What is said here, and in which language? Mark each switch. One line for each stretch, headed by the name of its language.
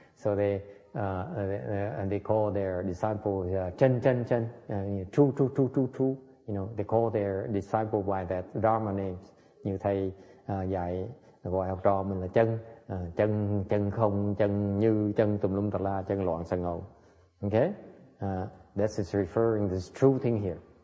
English: So they call their disciple chân, true, you know. They call their disciple by that dharma names.
Vietnamese: Như thầy dạy gọi học trò mình là chân không, chân như, chân tùm lum tà la, chân loạn sa ngầu.
English: Okay. This is referring to this true thing here.